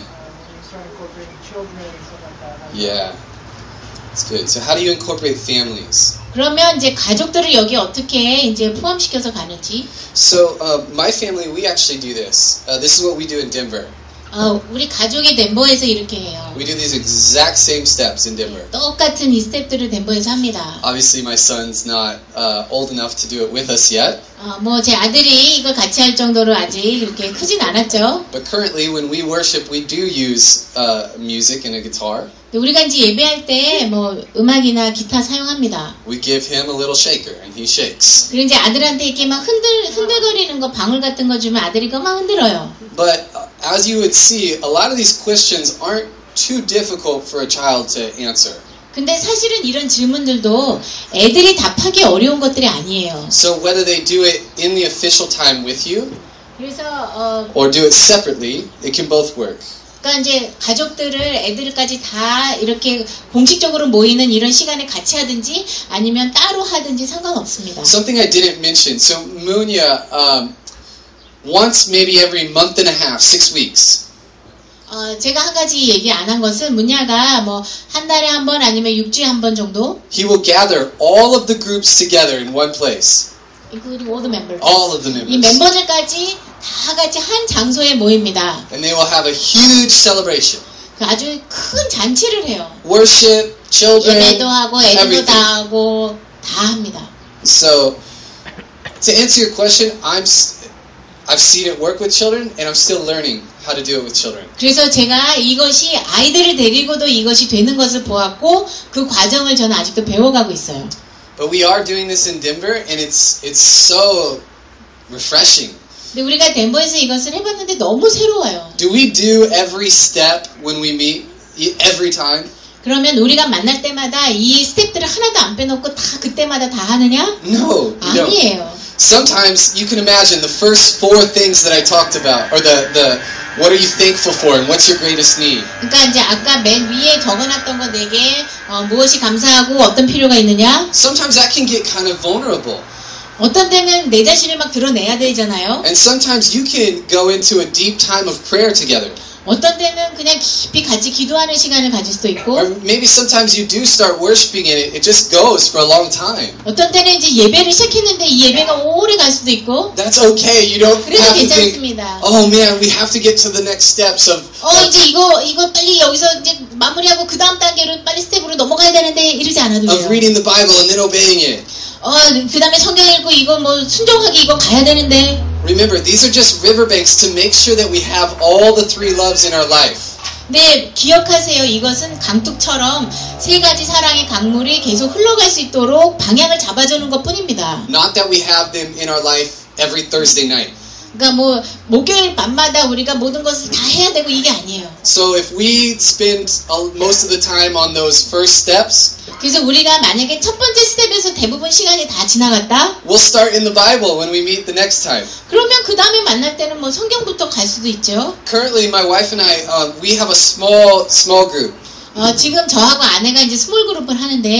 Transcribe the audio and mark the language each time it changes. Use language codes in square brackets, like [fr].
[en] When you start incorporating children and stuff like that. Yeah. That's good. So how do you incorporate families? [ko] 그러면 이제 가족들을 여기 어떻게 이제 포함시켜서 가는지? [en] So my family, we actually do this. This is what we do in Denver. [ko] 우리 가족이 덴버에서 이렇게 해요. [en] We do these exact same steps in Denver. [ko] 똑같은 이 스텝들을 덴버에서 합니다. [en] Obviously, my son's not old enough to do it with us yet. [ko] 뭐 제 아들이 이걸 같이 할 정도로 아직 이렇게 크진 않았죠. [en] But currently, when we worship, we do use music and a guitar. [ko] 우리가 이제 예배할 때 뭐 음악이나 기타 사용합니다. [en] We give him a little shaker and he shakes. [ko] 그리고 이제 아들한테 이렇게 막 흔들거리는 거 방울 같은 거 주면 아들이 그거 막 흔들어요. [en] But as you would see, a lot of these questions aren't too difficult for a child to answer. [ko] 근데 사실은 이런 질문들도 애들이 답하기 어려운 것들이 아니에요. [en] So whether they do it in the official time with you [ko] 그래서, [en] or do it separately, it can both work. [ko] 그러니까 이제 가족들을 애들까지 다 이렇게 공식적으로 모이는 이런 시간에 같이 하든지 아니면 따로 하든지 상관없습니다. [en] Something I didn't mention. So Munya, once maybe every month and a half, six weeks. [ko] 제가 한 가지 얘기 안 한 것은 문야가 뭐 한 달에 한 번 아니면 육 주에 한 번 정도. [en] He will gather all of the groups together in one place. Including all the members. All of the members. [ko] 이 멤버들까지. 다 같이 한 장소에 모입니다. [en] And they will have a huge celebration. [ko] 아주 큰 잔치를 해요. [en] Worship, children, [ko] 예배도 하고 애들도 다 하고 다 합니다. [en] So to answer your question, I've seen it work with children and I'm still learning. how to do it with children. [ko] 그래서 제가 이것이 아이들을 데리고도 이것이 되는 것을 보았고 그 과정을 저는 아직도 배워가고 있어요. [en] But we are doing this in Denver, and it's so refreshing. [ko] 근데 우리가 덴버에서 이것을 해봤는데 너무 새로워요. [en] Do we do every step when we meet every time? [ko] 그러면 우리가 만날 때마다 이 스텝들을 하나도 안 빼놓고 다 그때마다 다 하느냐? [en] No. [ko] 아니에요. [en] Sometimes you can imagine the first four things that I talked about, or the what are you thankful for and what's your greatest need. [ko] 그러니까 이제 아까 맨 위에 적어놨던 거 내게 무엇이 감사하고 어떤 필요가 있느냐? [en] Sometimes that can get kind of vulnerable. [ko] 어떤 때는 내 자신을 막 드러내야 되잖아요. [en] And sometimes you can go into a deep time of prayer together. [ko] 어떤 때는 그냥 깊이 같이 기도하는 시간을 가질 수도 있고 [en] Or maybe sometimes you do start worshiping and it just goes for a long time. [ko] 어떤 때는 이제 예배를 시작했는데 이 예배가 오래 갈 수도 있고 [en] That's okay. You don't have to think [ko] 그래도 괜찮습니다. [en] Oh man, we have to get to the next steps of [ko] 이제 이거 빨리 여기서 이제 마무리하고 그다음 단계로 빨리 스텝으로 넘어가야 되는데 이러지 않아도 돼요. [en] Of reading the Bible and then obeying it. [ko] 그다음에 성경 읽고 이거 뭐 순종하기 이거 가야 되는데 [en] Remember, these are just riverbanks to make sure that we have all the three loves in our life. [ko] 네, 기억하세요. 이것은 강둑처럼 세 가지 사랑의 강물이 계속 흘러갈 수 있도록 방향을 잡아주는 것뿐입니다. [en] Not that we have them in our life every Thursday night. [ko] 그러니까 뭐 목요일 밤마다 우리가 모든 것을 다 해야 되고 이게 아니에요. [en] So if we spend most of the time on those first steps, [ko] 그래서 우리가 만약에 첫 번째 스텝에서 대부분 시간이 다 지나갔다. [en] We'll start in the Bible when we meet the next time. [ko] 그러면 그 다음에 만날 때는 뭐 성경부터 갈 수도 있죠. [en] Currently, my wife and I, we have a small group. [ko] 지금 저하고 아내가 이제 스몰 그룹을 하는데.